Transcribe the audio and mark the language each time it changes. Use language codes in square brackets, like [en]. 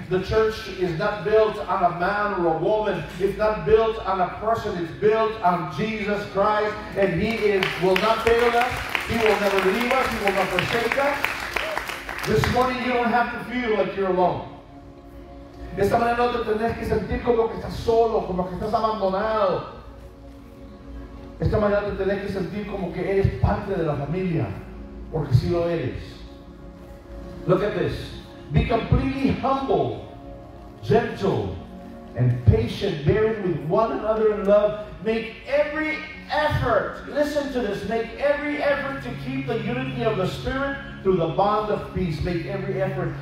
[en] The church is not built on a man or a woman. It's not built on a person. It's built on Jesus Christ, and he will not fail us. He will never leave us. He will not forsake us. This morning, you don't have to feel like you're alone. [es] De esta manera no te tendrás que sentir como que estás solo, como que estás abandonado. De esta manera te tendrás que sentir como que eres parte de la familia, porque sí lo eres. [en] Look at this. Be completely humble, gentle, and patient, bearing with one another in love. Make every effort, listen to this, make every effort to keep the unity of the Spirit through the bond of peace. Make every effort.